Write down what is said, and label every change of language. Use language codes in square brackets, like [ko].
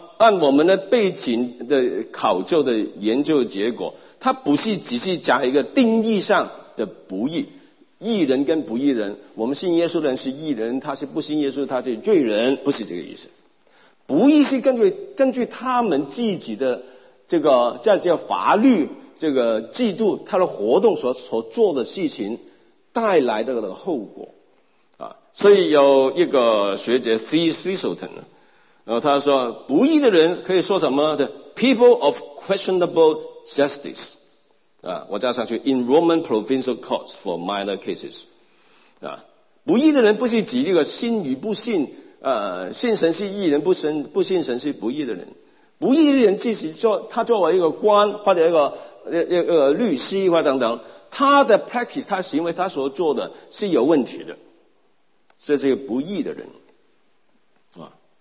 [zh] 按我们的背景的考究的研究结果，它不是只是讲一个定义上的不义，义人跟不义人，我们信耶稣的人是义人，他是不信耶稣他是罪人，不是这个意思。不义是根据他们自己的这个在这个法律这个制度他的活动所做的事情带来的后果啊。所以有一个学者 C. [en] Thistleton [zh] 然后他说，不义的人可以说什么的 [en] people of questionable justice [zh] 啊，我加上去 [en] in Roman provincial courts for minor cases 啊。 [zh] 不义的人不是指这个信与不信，信神是义人，不信神是不义的人。不义的人即使他作为一个官或者一个律师或等等，他的 practice 他行为他所做的是有问题的，这是一个不义的人啊。